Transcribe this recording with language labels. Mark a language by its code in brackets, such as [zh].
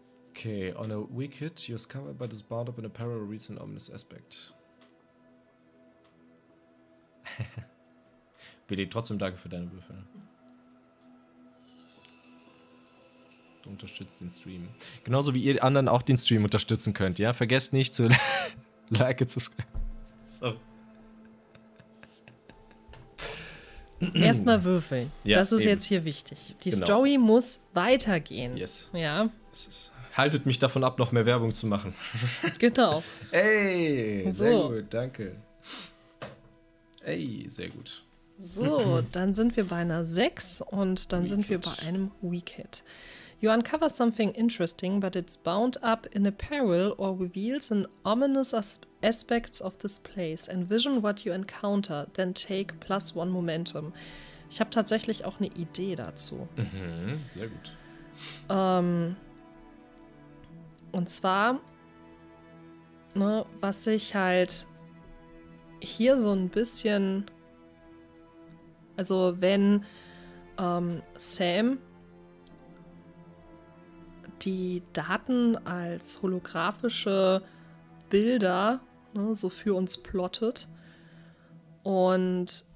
[en] Okay, on a weak hit, you're discovered by this bound up in a parallel recent ominous aspect. [de] Billy, trotzdem danke für deine Würfel. Du unterstützt den Stream. Genauso wie ihr anderen auch den Stream unterstützen könnt, ja? Vergesst nicht zu liken, zu subscriben. Sorry. Erstmal würfeln. Ja, das ist eben jetzt hier wichtig. Die Story muss weitergehen. [en] Yes. [de] Ja. Haltet mich davon ab, noch mehr Werbung zu machen. Genau. Ey, sehr gut, danke. Ey, sehr gut. So, dann sind wir bei einer 6 und dann wir bei einem Weak Hit. [en] You uncover something interesting, but it's bound up in a peril or reveals an ominous aspects of this place. Envision what you encounter, then take plus one momentum. [de] Ich habe tatsächlich auch eine Idee dazu. Sehr gut. Und zwar, was ich halt hier so ein bisschen, also wenn Sam die Daten als holographische Bilder so für uns plottet und